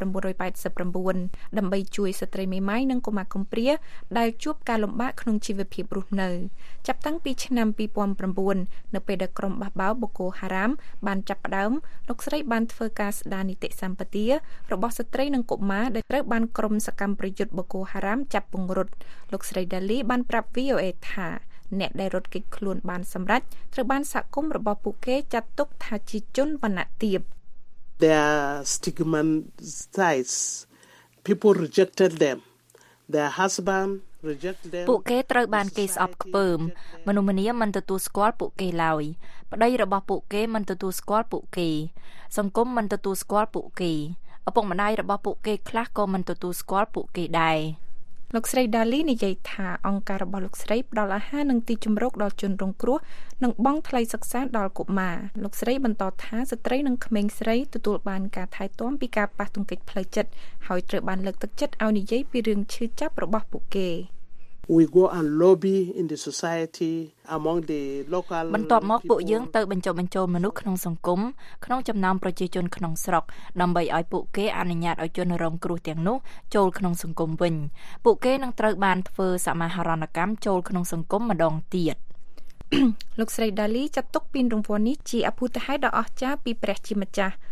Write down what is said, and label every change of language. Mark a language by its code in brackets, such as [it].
[km] 1989ដើម្បីជួយស្ត្រីមេម៉ាយនិងកុមារកំព្រាដែលជួបការលំបាកក្នុងជីវភាពរស់នៅចាប់តាំងពីឆ្នាំ2009នៅពេលដែលក្រុមបះបោរ Boko Haram បានចាប់ផ្ដើមលោកស្រីបានធ្វើការស្ដារនីតិសម្បទារបស់ស្ត្រីនិងកុមារដែលត្រូវបានក្រុមសកម្មប្រយុទ្ធ Boko Haram ចាប់ពង្រត់លោកស្រីដាលីបានប្រាប់ VOA ថាអ្នកដែលរត់គេចខ្លួនបានសម្រេចត្រូវបានសហគមន៍របស់ពួកគេចាត់ទុកថាជាជនវណ្ណៈទាប [en] They are stigmatized people rejected them their husband rejected them [km] ពួកគេត្រូវបានគេស្អប់ខ្ពើមមនុស្សម្នាមិនទទួលស្គាល់ពួកគេឡើយប្តីរបស់ពួកគេមិនទទួលស្គាល់ពួកគេសង្គមមិនទទួលស្គាល់ពួកគេឪពុកម្ដាយរបស់ពួកគេខ្លះក៏មិនទទួលស្គាល់ពួកគេដែរ លោកស្រីដាលីនិយាយថាអង្គការរបស់លោកស្រីផ្ដល់អាហារនិងទីជម្រកដល់ជនរងគ្រោះនិងបង់ថ្លៃសិក្សាដល់កុមារលោកស្រីបន្តថាស្ត្រីនិងក្មេងស្រីទទួលបានការថែទាំពីការប៉ះទង្គិចផ្លូវចិត្តហើយត្រូវបានលើកទឹកចិត្តឲ្យនិយាយពីរឿងឈឺចាប់របស់ពួកគេ [en] We go and lobby in the society among the local [km] បន្ទាប់មកពួកយើងទៅបញ្ចុះបញ្ចូលមនុស្សក្នុងសង្គមក្នុងចំណោមប្រជាជនក្នុងស្រុកដើម្បីឲ្យពួកគេអនុញ្ញាតឲ្យជនរងគ្រោះទាំងនោះចូលក្នុងសង្គមវិញពួកគេនឹងត្រូវបានធ្វើសមាហរណកម្មចូលក្នុងសង្គមម្ដងទៀត លោកស្រីដាលីចាត់ទុកពានរង្វាន់នេះជាអភូតហេតុដ៏អស្ចារ្យពីព្រះជាម្ចាស់